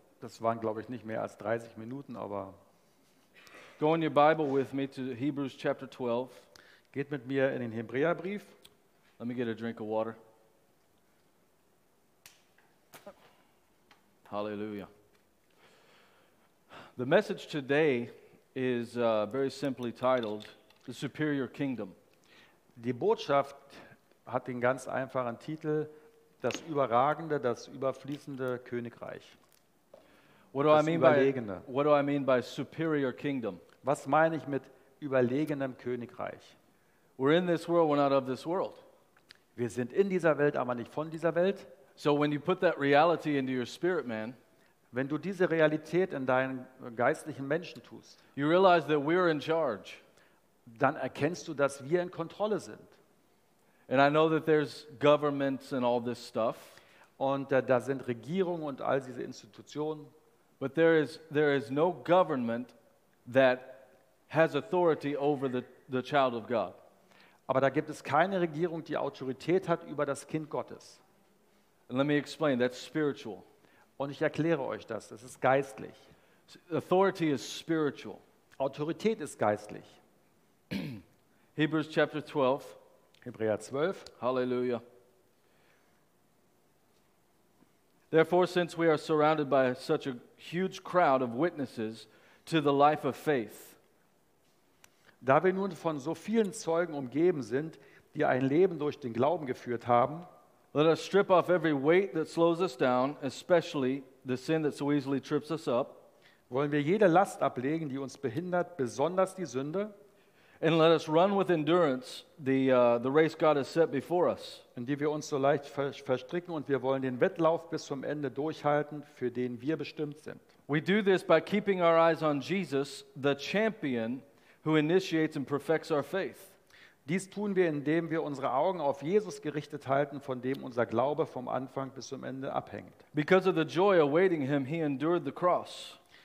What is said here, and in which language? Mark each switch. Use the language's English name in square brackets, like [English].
[German] Das waren, glaube ich, nicht mehr als 30 Minuten, aber... [English] Go in your Bible with me to Hebrews chapter 12. [German] Geht mit mir in den Hebräerbrief. [English] Let me get a drink of water. Hallelujah. The message today is very simply titled, The Superior Kingdom. [German] Die Botschaft hat den ganz einfachen Titel, Das Überragende, das Überfließende Königreich. [English] What do I mean by Superior Kingdom? [German] Was meine ich mit überlegenem Königreich? [English] We're in this world, we're not of this world. [German] Wir sind in dieser Welt, aber nicht von dieser Welt. [English] So when you put that reality into your spirit, man, [German] wenn du diese Realität in deinen geistlichen Menschen tust, [English] you realize that we're in charge. [German] Dann erkennst du, dass wir in Kontrolle sind. [English] And I know that there's governments and all this stuff. [German] Und da sind Regierungen und all diese Institutionen. [English] But there is no government that has authority over the child of God. [German] Aber da gibt es keine Regierung, die Autorität hat über das Kind Gottes. [English] And let me explain, that's spiritual. [German] Und ich erkläre euch das, das ist geistlich. [English] Authority is spiritual. [German] Autorität ist geistlich. [English] Hebrews chapter 12. [German] Hebräer 12. [English] Hallelujah. Therefore, since we are surrounded by such a huge crowd of witnesses to the life of faith. [German] Da wir nun von so vielen Zeugen umgeben sind, die ein Leben durch den Glauben geführt haben, [English] let us strip off every weight that slows us down, especially the sin that so easily trips us up. [German] Wollen wir jede Last ablegen, die uns behindert, besonders die Sünde? [English] And let us run with endurance the race God has set before us. [German] In die wir uns so leicht verstricken und wir wollen den Wettlauf bis zum Ende durchhalten, für den wir bestimmt sind. [English] We do this by keeping our eyes on Jesus, the champion who initiates and perfects our faith. [German] Dies tun wir, indem wir unsere Augen auf Jesus gerichtet halten, von dem unser Glaube vom Anfang bis zum Ende abhängt. [English] Because of the joy awaiting him, he endured the cross.